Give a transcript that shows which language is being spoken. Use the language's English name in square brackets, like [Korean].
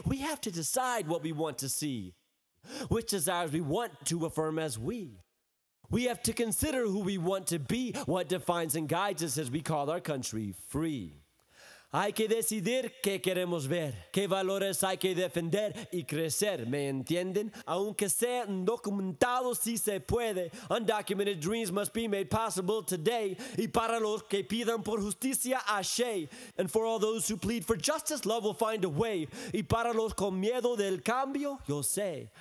[English] We have to decide what we want to see, which desires we want to affirm as we. We have to consider who we want to be, what defines and guides us as we call our country free. [Spanish] Hay que decidir qué queremos ver, qué valores hay que defender y crecer, ¿me entienden? Aunque sea indocumentado, si se puede, [English] undocumented dreams must be made possible today. [Spanish] Y para los que pidan por justicia, ache. [English] And for all those who plead for justice, love will find a way. [Spanish] Y para los con miedo del cambio, yo sé.